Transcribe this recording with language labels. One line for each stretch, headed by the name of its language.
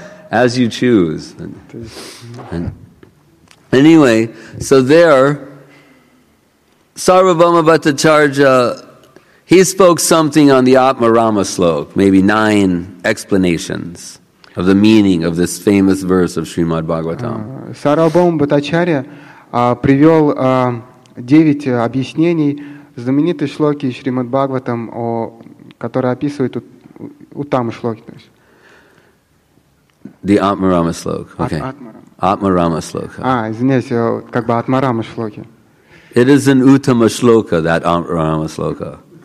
English: As you choose. And anyway, so there, Sarvabhauma Bhattacharya, he spoke something on the Atmarama slok, maybe 9 explanations of the meaning of this famous verse of Srimad Bhagavatam.
Russian: Sarvabhauma Bhattacharya привел 9 объяснений знаменитой шлоки Шримад Бхагаватам, которая описывает Уттама шлоки.
English: The Atmarama slok. Okay. Atmarama slok.
Russian: Извиняюсь, как бы Атмарама шлоки.
English: It is an Uttama shloka, that Atmarama shloka.